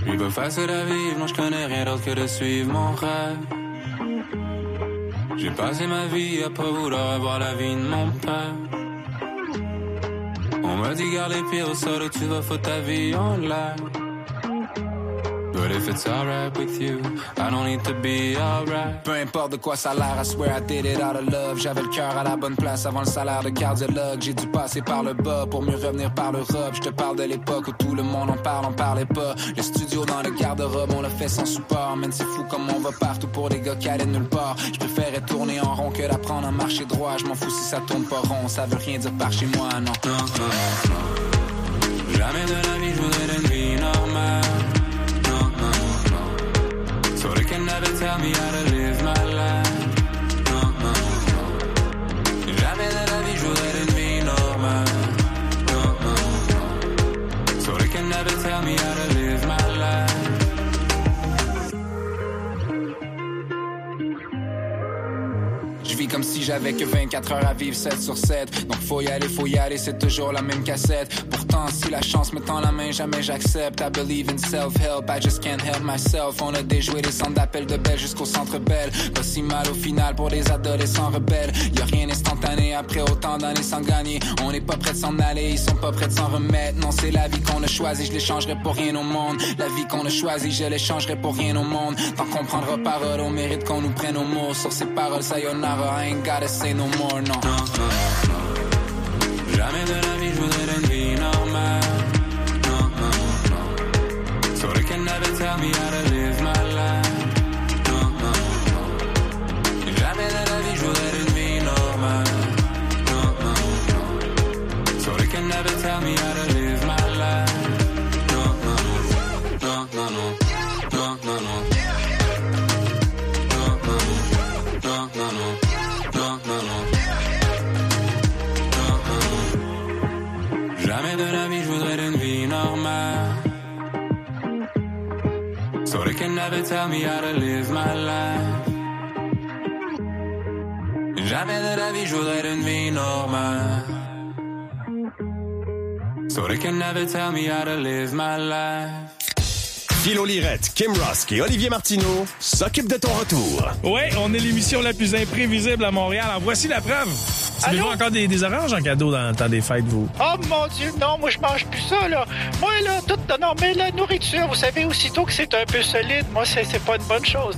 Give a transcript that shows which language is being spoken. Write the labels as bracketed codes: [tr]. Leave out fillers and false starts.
[fr] Facile à vivre, non, je connais rien d'autre que de suivre mon rêve. J'ai passé ma vie à pas vouloir avoir la vie de mon père. On m'a dit, garde les pieds au sol où tu vas foutre ta vie en l'air. But if it's alright with you, I don't need to be alright. Peu importe de quoi ça a l'air, [en] I swear I did it out of love. [fr] J'avais le cœur à la bonne place avant le salaire de cardiologue. J'ai dû passer par le bas pour mieux revenir par l'Europe. J'te parle de l'époque où tout le monde en parlait pas. Les studios dans le garde-robe, on l'a fait sans support. Même c'est fou comme on va partout pour des gars qui allaient nulle part. J'préférais tourner en rond que d'apprendre à marcher droit. J'm'en fous si ça tourne pas rond, ça veut rien dire par chez moi, non. Non, non, non. Jamais de la vie, j'voudrais une vie normale. [en] So they can never tell me how to live my life. No, no, no. [fr] Jamais de la vie, je voudrais une vie normale. [en] No, no, no. So they can never tell me how to live my life. [fr] Je vis comme si j'avais que 24 heures à vivre 7 sur 7. Donc faut y aller, c'est toujours la même cassette. Si la chance me tend la main, jamais j'accepte. [en] I believe in self-help, I just can't help myself. [fr] On a déjoué les centres d'appel de Belle jusqu'au centre Belle. Pas si mal au final pour des adolescents rebelles. Y'a rien instantané après autant d'années sans gagner. On n'est pas prêts de s'en aller, ils sont pas prêts de s'en remettre. Non, c'est la vie qu'on a choisie, je l'échangerai pour rien au monde. La vie qu'on a choisie, je l'échangerai pour rien au monde. Tant qu'on prendra parole, on mérite qu'on nous prenne au mot. Sur ces paroles, [en] sayonara, I ain't gotta say no more, non. [fr] Jamais de la vie, je voudrais une vie normale. [en] Tell me how to live my life. No, no, no. [fr] Jamais de la vie, je voudrais une vie normale. [en] No, no, no. So they can never tell me how to live my life. No, no, no. No, no, no. No, no, no. [fr] Jamais de la vie, je voudrais une vie normale. [en] So they can never tell me how to live my life. [fr] Jamais de la vie, je voudrais une vie normale. [en] So they can never tell me how to live my life. [fr] Philo Lirette, Kim Rusk et Olivier Martineau s'occupent de ton retour. Oui, on est l'émission la plus imprévisible à Montréal. En voici la preuve. Allô? Tu veux encore des oranges en cadeau dans le temps des fêtes, vous? Oh, mon Dieu, non, moi, je mange plus ça, là. Moi, là, tout... Non, mais la nourriture, vous savez, aussitôt que c'est un peu solide, moi, c'est pas une bonne chose.